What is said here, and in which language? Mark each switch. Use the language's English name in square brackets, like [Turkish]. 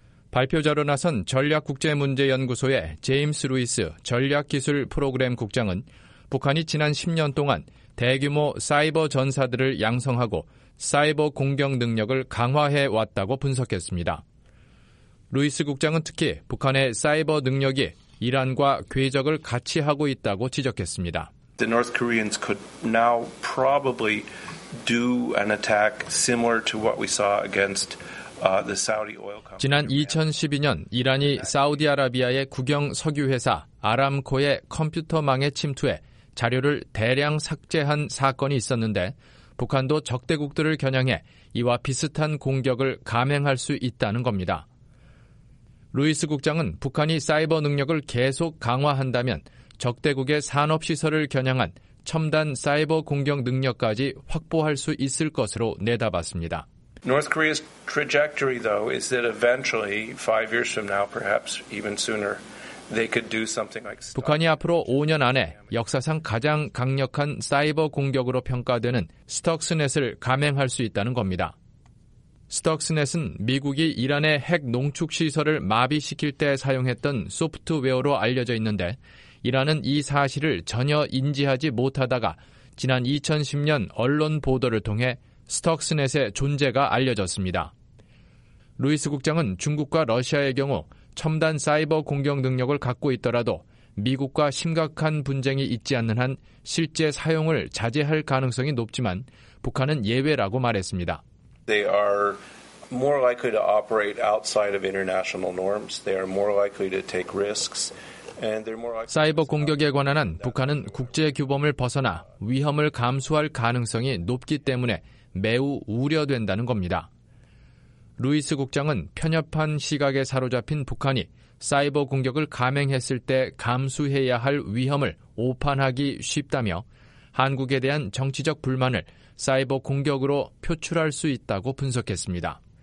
[Korean] 발표자로 나선 전략국제문제연구소의 제임스 루이스 전략기술 프로그램 국장은 북한이 지난 10년 동안 대규모 사이버 전사들을 양성하고 사이버 공격 능력을 강화해 왔다고 분석했습니다. 루이스 국장은 특히 북한의 사이버 능력이 이란과 궤적을 같이 하고 있다고 지적했습니다. [English] The North Koreans could now probably do an attack similar to what we saw against the Saudi oil company. [Korean] 지난 2012년 이란이 사우디아라비아의 국영 석유회사 아람코의 컴퓨터망에 침투해 자료를 대량 삭제한 사건이 있었는데 북한도 적대국들을 겨냥해 이와 비슷한 공격을 감행할 수 있다는 겁니다. 루이스 국장은 북한이 사이버 능력을 계속 강화한다면 적대국의 산업시설을 겨냥한 첨단 사이버 공격 능력까지 확보할 수 있을 것으로 내다봤습니다. [English] North Korea's trajectory, though, is that eventually, 5 years from now, perhaps even sooner, they could do something like. [Korean] 북한이 앞으로 5년 안에 역사상 가장 강력한 사이버 공격으로 평가되는 스톡스넷을 감행할 수 있다는 겁니다. 스톡스넷은 미국이 이란의 핵 농축시설을 마비시킬 때 사용했던 소프트웨어로 알려져 있는데 이란은 이 사실을 전혀 인지하지 못하다가 지난 2010년 언론 보도를 통해 스톡스넷의 존재가 알려졌습니다. 루이스 국장은 중국과 러시아의 경우 첨단 사이버 공격 능력을 갖고 있더라도 미국과 심각한 분쟁이 있지 않는 한 실제 사용을 자제할 가능성이 높지만 북한은 예외라고 말했습니다. [English] They are more likely to operate outside of international norms. They are more likely to take risks. And they're more likely. [Korean] 사이버 공격에 관한 한 북한은 국제 규범을 벗어나 위험을 감수할 가능성이 높기 때문에 매우 우려된다는 겁니다. 루이스 국장은 편협한 시각에 사로잡힌 북한이 사이버 공격을 감행했을 때 감수해야 할 위험을 오판하기 쉽다며 한국에 대한 정치적 불만을 사이버 공격으로 표출할 수 있다고 분석했습니다.